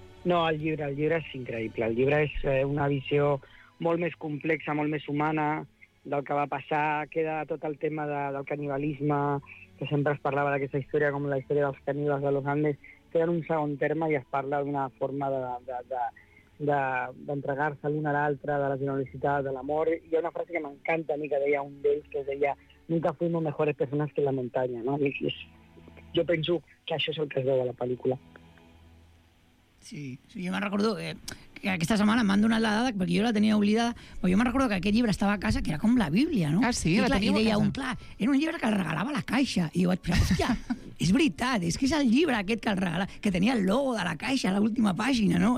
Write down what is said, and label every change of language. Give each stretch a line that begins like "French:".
Catalan: No, el llibre és increïble. El llibre és una visió molt més complexa, molt més humana del que va passar. Queda tot el tema del canibalisme, que sempre es parlava d'aquesta història com la història dels caníbals de Los Andes. Queda en un segon terme i es parla d'una forma d'entregar-se l'una a l'altra, de la generositat, de l'amor. Hi ha una frase que m'encanta a mi, que deia un d'ells, que deia:
Spanish: nunca fuimos mejores personas que la montaña,
Catalan: ¿no? Jo penso que això és el que es veu a la pel·lícula. Sí, jo me'n recordo que aquesta setmana m'han donat la dada, perquè jo la tenia oblidada, però jo me'n recordo que aquest llibre estava a casa, que era com la Bíblia, no? Ah, sí, i clar, deia un pla, era un llibre que el regalava a la caixa, i jo vaig pensar, hòstia, és veritat, és que és el llibre aquest que el regala, que tenia el logo de la caixa a l'última pàgina, no?